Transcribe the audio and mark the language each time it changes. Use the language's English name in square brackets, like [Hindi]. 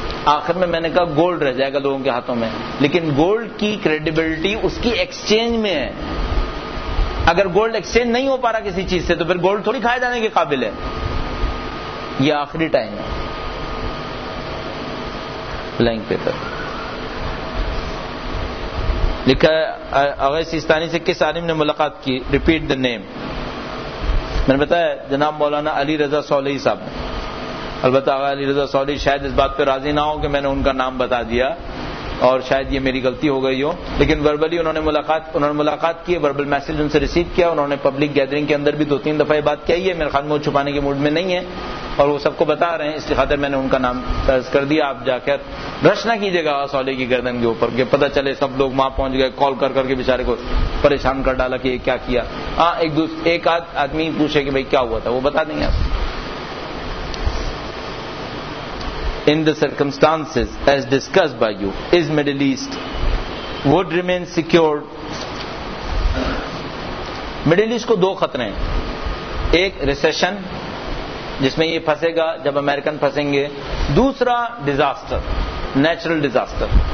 [Urdu] آخر میں میں نے کہا گولڈ رہ جائے گا لوگوں کے ہاتھوں میں, لیکن گولڈ کی کریڈیبلٹی اس کی ایکسچینج میں ہے. اگر گولڈ ایکسچینج نہیں ہو پا رہا کسی چیز سے, تو پھر گولڈ تھوڑی کھائے جانے کے قابل ہے. یہ آخری ٹائم ہے. بلینک پیپر لکھا اویس سیستانی سے, کس عالم نے ملاقات کی؟ [English] Repeat the name. [Urdu] میں نے بتایا جناب مولانا علی رضا صالحی صاحب. البتہ آغا علی رضا صالحی شاید اس بات پہ راضی نہ ہو کہ میں نے ان کا نام بتا دیا, اور شاید یہ میری غلطی ہو گئی ہو, لیکن وربلی انہوں نے ملاقات کی, وربل میسج ان سے ریسیو کیا. انہوں نے پبلک گیدرنگ کے اندر بھی دو تین دفعہ یہ بات کہی ہے. میرے خیال میں وہ چھپانے کے موڈ میں نہیں ہے اور وہ سب کو بتا رہے ہیں, اس لیے خاطر میں نے ان کا نام درج کر دیا. آپ جا کر برش نہ کیجیے گا صالح کی گردن کے اوپر, کہ پتہ چلے سب لوگ وہاں پہنچ گئے, کال کر کر کے بےچارے کو پریشان کر ڈالا کہ یہ کیا کیا. ہاں ایک آدمی پوچھے کہ بھائی کیا ہوا تھا, وہ بتا دیں گے آپ. [English] In the circumstances as discussed by you, is Middle East would remain secured? [Urdu] Middle East کو دو خطرے ہیں. ایک ریسیشن جس میں یہ پھنسے گا جب امریکن پھنسیں گے, دوسرا ڈیزاسٹر, نیچرل ڈیزاسٹر.